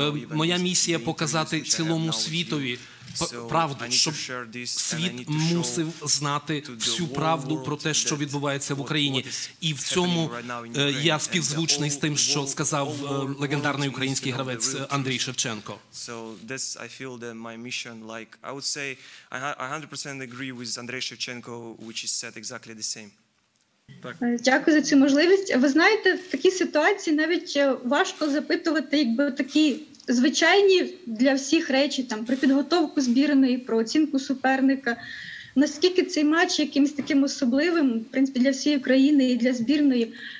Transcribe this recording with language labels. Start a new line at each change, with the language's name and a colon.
Ukrainian: Моя місія – показати цілому світові правду, щоб світ мусив знати всю правду про те, що відбувається в Україні. І в цьому я співзвучний з тим, що сказав легендарний український гравець Андрій Шевченко.
English: So this, I feel that my mission, like, I would say, I 100% agree with Andrei Shevchenko, which is said exactly the same.
Ukrainian: Дякую за цю можливість. Ви знаєте, в такій ситуації навіть важко запитувати, якби такі звичайні для всіх речі, там, про підготовку збірної, про оцінку суперника. Наскільки цей матч якимось таким особливим, в принципі, для всієї країни і для збірної.